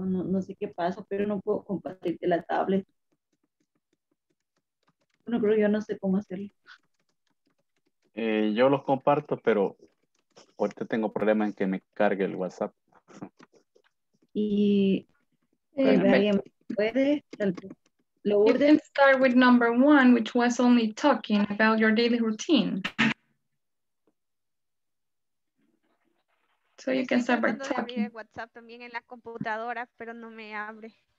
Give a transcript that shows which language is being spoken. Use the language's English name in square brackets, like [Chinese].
[Spanish] No sé qué pasa, pero no puedo compartirte la tablet. No creo, yo no sé cómo hacerlo. Yo los comparto, pero ahorita tengo problema en que me cargue el WhatsApp. Y alguien puede, [English] you can start with number one, which was only talking about your daily routine. So you can start by talking. [Spanish] WhatsApp también en la computadora, pero no me abre.